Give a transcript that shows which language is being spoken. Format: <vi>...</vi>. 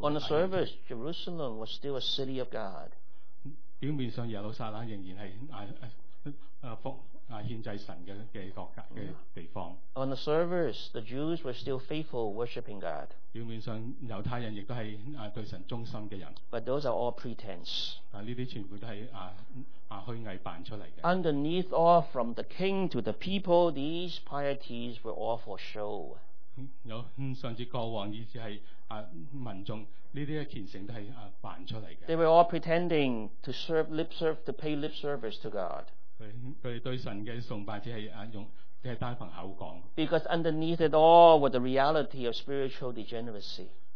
<en>On the surface, Jerusalem was still a city of God.</en> <zh>表面上耶路撒冷仍然是奉献祭神的国家的地方。</zh> <en>On the surface, the Jews were still faithful worshiping God.</en> <zh>表面上犹太人亦都是对神忠心的人。</zh> <en>But those are all pretense.</en> <zh>这些全部都是虚伪扮出来的。</zh> <en>Underneath all, from the king to the people, these pieties were all for show.</en> <zh>甚至过往以至是民众，这些虔诚都是扮出来的。</zh> <en>They were all pretending to serve lip service, to pay lip service to God.</en> <zh>他们对神的崇拜只是单凭口讲。</zh> <en>Because underneath it all were the reality of spiritual degeneracy.</en>